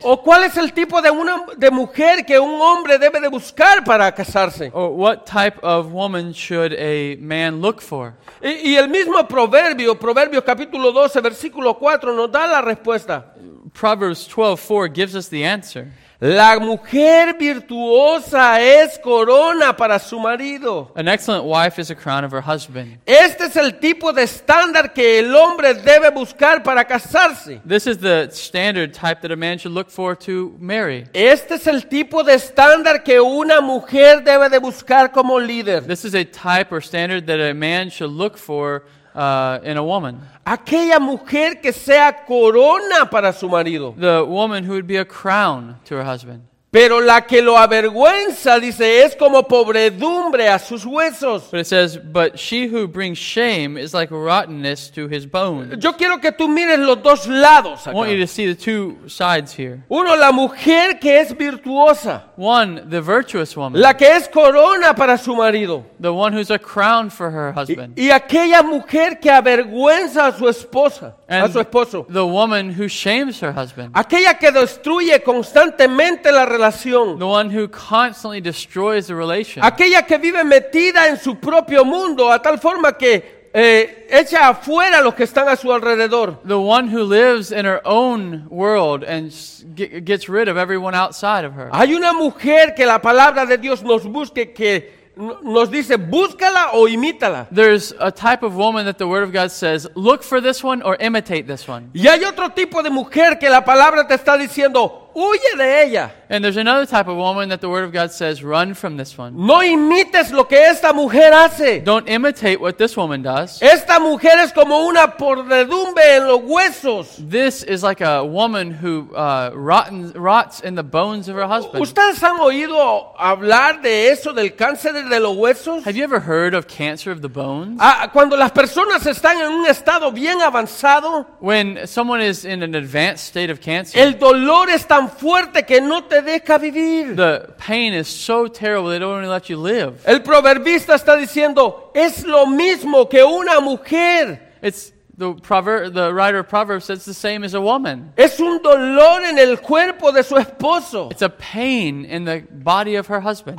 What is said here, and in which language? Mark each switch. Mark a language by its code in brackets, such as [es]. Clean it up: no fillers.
[es] O cuál es el tipo de mujer que un hombre debe de buscar para casarse. [en] Or what type of woman should a man look for? [es] Y el mismo Proverbios capítulo 12 versículo 4 nos da la respuesta. [en] Proverbs 12:4 gives us the answer. [es] La mujer virtuosa es corona para su marido. [en] An excellent wife is a crown of her husband. [es] Este es el tipo de estándar que el hombre debe buscar para casarse. [en] This is the standard type that a man should look for to marry. [es] Este es el tipo de estándar que una mujer debe de buscar como líder. [en] This is a type or standard that a man should look for in a woman. [es] Aquella mujer que sea corona para su marido. [en] The woman who would be a crown to her husband. [es] Pero la que lo avergüenza, dice, es como podredumbre a sus huesos. [en] But it says, but she who brings shame is like rottenness to his bones. [es] Yo quiero que tú mires los dos lados acá. [en] I want you to see the two sides here. [es] Uno, la mujer que es virtuosa. [en] One, the virtuous woman. [es] La que es corona para su marido. [en] The one who's a crown for her husband. [es] Y aquella mujer que avergüenza a su esposa. [en] And [es] a su esposo. [en] The woman who shames her husband. [es] Aquella que destruye constantemente la relación. [en] The one who constantly destroys the relation. [es] Aquella que vive metida en su propio mundo a tal forma que echa afuera los que están a su alrededor. [en] The one who lives in her own world and gets rid of everyone outside of her. [es] Hay una mujer que la palabra de Dios nos busque que nos dice búscala o imítala. [en] There's a type of woman that the word of God says look for this one or imitate this one. [es] Y hay otro tipo de mujer que la palabra te está diciendo huye de ella. [en] And there's another type of woman that the word of God says run from this one. [es] No imites lo que esta mujer hace. [en] Don't imitate what this woman does. [es] Esta mujer es como una podredumbre en los huesos. [en] This is like a woman who rots in the bones of her husband. [es] ¿Ustedes han oído hablar de eso del cáncer de los huesos? [en] Have you ever heard of cancer of the bones? [es] Cuando las personas están en un estado bien avanzado, [en] when someone is in an advanced state of cancer, [es] el dolor es tan fuerte que no te deja vivir. [en] The pain is so terrible they don't even let you live. [es] El proverbista está diciendo es lo mismo que una mujer. [en] It's the writer of Proverbs says it's the same as a woman. [es] Es un dolor en el cuerpo de su esposo. [en] It's a pain in the body of her husband.